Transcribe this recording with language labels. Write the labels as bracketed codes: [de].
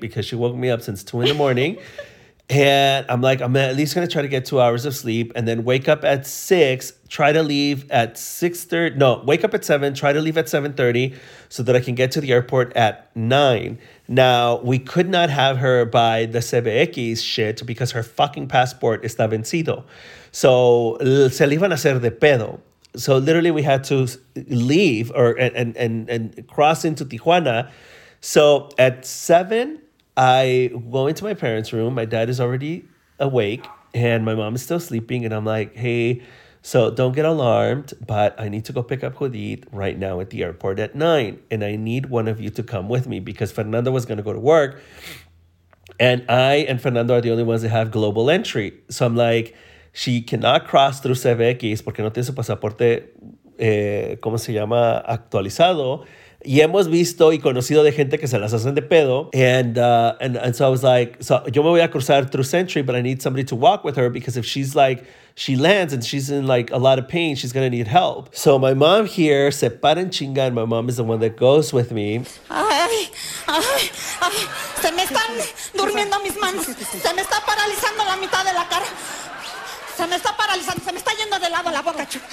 [en] Because she woke me up since 2 in the morning. And I'm like, I'm at least going to try to get 2 hours of sleep and then wake up at 6, try to leave at 6:30. No, wake up at 7, try to leave at 7:30 so that I can get to the airport at 9. Now, we could not have her by the CBX shit because her fucking passport [es] está vencido. So, se le iban a hacer de pedo. [en] So, literally, we had to leave or and cross into Tijuana. So, at 7... I go into my parents' room. My dad is already awake and my mom is still sleeping. And I'm like, hey, so don't get alarmed, but I need to go pick up Judith right now at the airport at 9. And I need one of you to come with me because Fernando was going to go to work. And I and Fernando are the only ones that have global entry. So I'm like, she cannot cross through CBX [es] porque no tiene su pasaporte, ¿cómo se llama? Actualizado. Y hemos visto y conocido de gente que se las hacen de pedo. [en] And so I was like, [es] so yo me voy a cruzar [en] through Sentry, but I need somebody to walk with her because if she's like, she lands and she's in like a lot of pain, she's going to need help. So my mom here, [es] se para en chinga, [en] and my mom is the one that goes with me. [es] Ay, se me están durmiendo mis manos. Se me está paralizando la mitad de la cara. Se me está paralizando, se me está yendo de lado la boca.